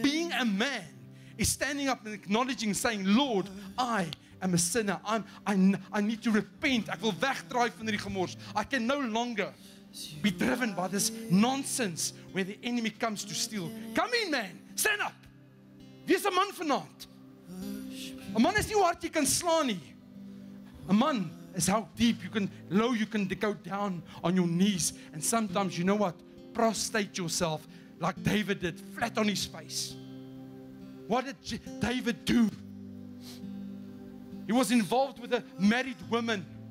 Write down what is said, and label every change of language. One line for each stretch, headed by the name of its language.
English: Being a man is standing up and acknowledging, saying, Lord, I am a sinner. I need to repent. I will
Afrikaans: wegdraai van die gemors.
English: I can no longer be driven by this nonsense where the enemy comes to steal. Come in, man. Stand up.
Afrikaans: Wees 'n man vanaand. 'N man is nie hard jy kan slaan nie. 'N man is
English: how deep you can, low you can go down on your knees. And sometimes, you know what? Prostrate yourself like David did, flat on his face. What did David do? He was involved with a married woman.